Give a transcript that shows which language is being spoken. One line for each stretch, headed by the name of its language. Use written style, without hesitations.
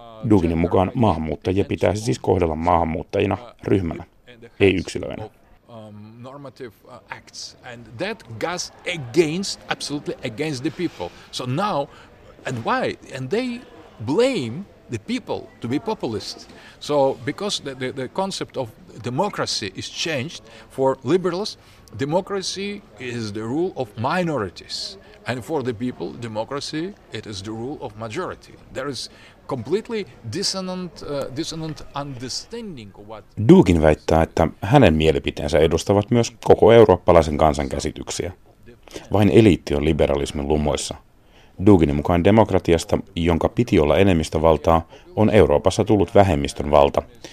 Finnish: Duginin mukaan maahanmuuttajia pitäisi siis kohdella maahanmuuttajina ryhmänä, ei yksilöinä.
English: Normative acts and that goes against absolutely against the people. So now and why and they blame the people to be populist. So because the concept of democracy is changed for liberals, democracy is the rule of minorities. And for the people, democracy it is the rule of majority. There is completely dissonant understanding of what
Finnish: Dugin väittää, että hänen mielipiteensä edustavat myös koko eurooppalaisen kansan käsityksiä. Vain eliitti on liberalismin lumoissa. Duginin mukaan demokratiasta, jonka piti olla enemmistövaltaa, on Euroopassa tullut vähemmistön valta.